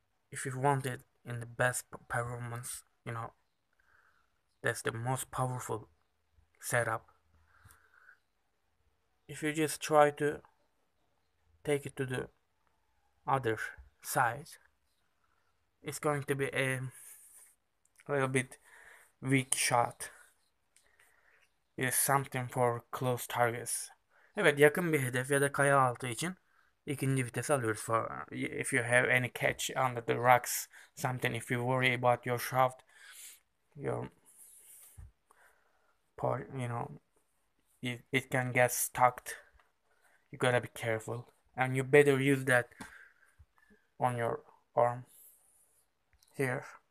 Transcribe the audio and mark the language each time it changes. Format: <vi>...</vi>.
<en>If you want it in the best performance. That's the most powerful setup. If you just try to take it to the other side, it's going to be a little bit weak shot. It's something for close targets.</en> <tr>Evet, yakın bir hedef ya da kaya altı için ikinci vites alıyoruz.</tr> <en>For if you have any catch under the rocks, something, if you worry about your shaft, your part, it can get stuck. You gotta be careful, and you better use that on your arm here.</en>